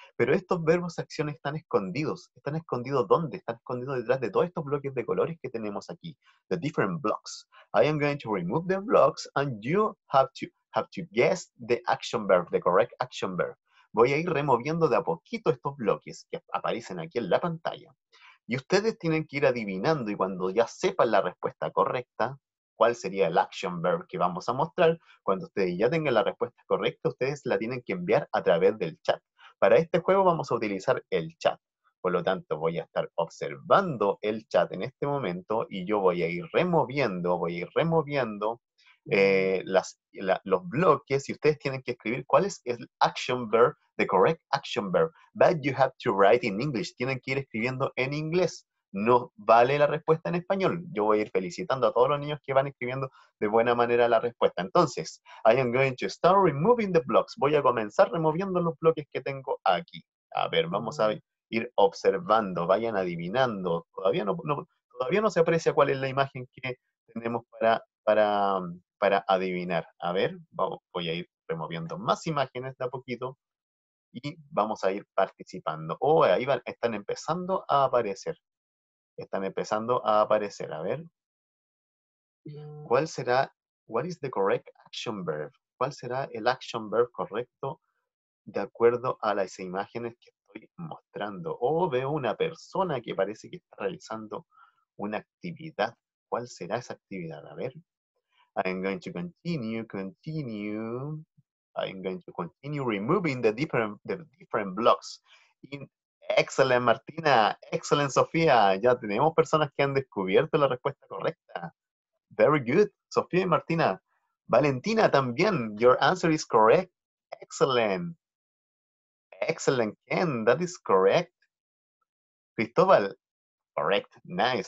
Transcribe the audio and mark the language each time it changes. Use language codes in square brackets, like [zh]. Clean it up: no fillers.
[es] Pero estos verbos acciones están escondidos. ¿Están escondidos dónde? Están escondidos detrás de todos estos bloques de colores que tenemos aquí. [en] The different blocks. I am going to remove the blocks and you have to guess the action verb, the correct action verb. [es] Voy a ir removiendo de a poquito estos bloques que aparecen aquí en la pantalla. Y ustedes tienen que ir adivinando y cuando ya sepan la respuesta correcta, ¿cuál sería el action verb que vamos a mostrar? Cuando ustedes ya tengan la respuesta correcta, ustedes la tienen que enviar a través del chat. Para este juego vamos a utilizar el chat. Por lo tanto, voy a estar observando el chat en este momento y yo voy a ir removiendo los bloques y ustedes tienen que escribir cuál es el action verb, [en] the correct action verb. But you have to write in English. [es] Tienen que ir escribiendo en inglés. No vale la respuesta en español. Yo voy a ir felicitando a todos los niños que van escribiendo de buena manera la respuesta. Entonces, [en] I am going to start removing the blocks. [es] Voy a comenzar removiendo los bloques que tengo aquí. A ver, vamos a ir observando. Vayan adivinando. Todavía no se aprecia cuál es la imagen que tenemos para adivinar. A ver, voy a ir removiendo más imágenes de a poquito. Y vamos a ir participando. Oh, ahí están empezando a aparecer. A ver. ¿Cuál será? [en] What is the correct action verb? [es] ¿Cuál será el action verb correcto de acuerdo a las imágenes que estoy mostrando? Veo una persona que parece que está realizando una actividad. ¿Cuál será esa actividad? A ver. [en] I'm going to continue. I'm going to continue removing the different blocks in. [es] Excelente, Martina. Excelente, Sofía. Ya tenemos personas que han descubierto la respuesta correcta. [en] Very good, Sofía y Martina. [es] Valentina también. [en] Your answer is correct. Excellent. Excellent, Ken. That is correct. Cristóbal. Correct. Nice.